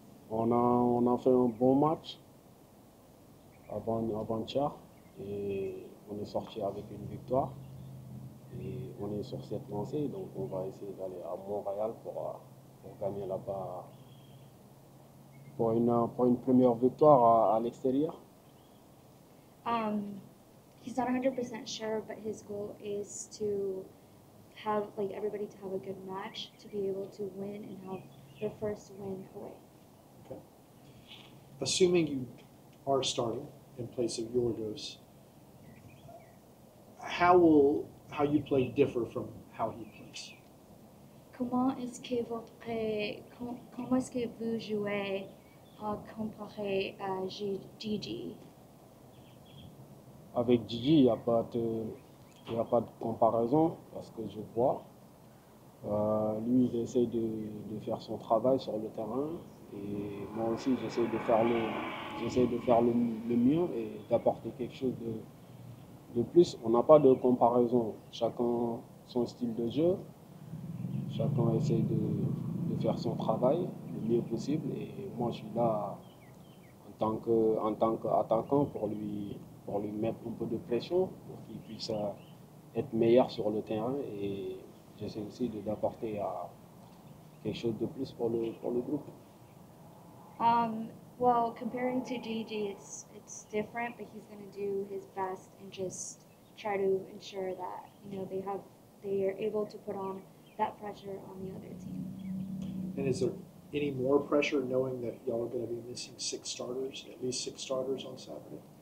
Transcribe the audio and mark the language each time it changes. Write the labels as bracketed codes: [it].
[fr] On a fait un bon match avant-hier et on est sorti avec une victoire et on est sur cette lancée, donc on va essayer d'aller à Montréal pour gagner là-bas pour une première victoire à l'extérieur. [en] He's not 100% sure, but his goal is to have like everybody to have a good match to be able to win and have their first win away. Okay. Assuming you are starting in place of Yorgos, how you play differ from how he plays? [fr] Comment est-ce que vous jouez comparé à Gigi? Avec Gigi, il n'y a pas de... Il n'y a pas de comparaison parce que je vois. Lui, il essaie de faire son travail sur le terrain. Et moi aussi, j'essaie de faire le mieux et d'apporter quelque chose de plus. On n'a pas de comparaison. Chacun son style de jeu. Chacun essaie de faire son travail le mieux possible. Et moi, je suis là en tant qu'attaquant pour lui mettre un peu de pression pour qu'il puisse être meilleur sur le terrain et j'essaie aussi d'apporter quelque chose de plus pour le groupe. [en] Well, comparing to Gigi, it's different, but he's going to do his best and just try to ensure that, you know, they are able to put on that pressure on the other team. And is there any more pressure knowing that y'all are going to be missing six starters, at least six starters on Saturday?